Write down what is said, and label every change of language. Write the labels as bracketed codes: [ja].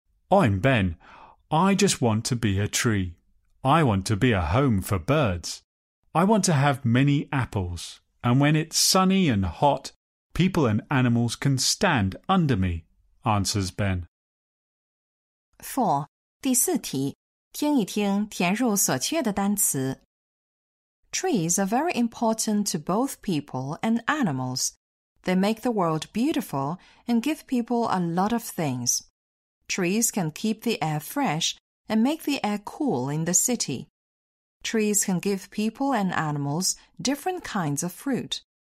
[en] I'm Ben. I just want to be a tree. I want to be a home for birds. I want to have many apples, and when it's sunny and hot, people and animals can stand under me, answers Ben. 4. [zh] 第四题, 听一听填入所缺的单词。 [en] Trees are very important to both people and animals. They make the world beautiful and give people a lot of things. Trees can keep the air fresh and make the air cool in the city. Trees can give people and animals different kinds of fruit.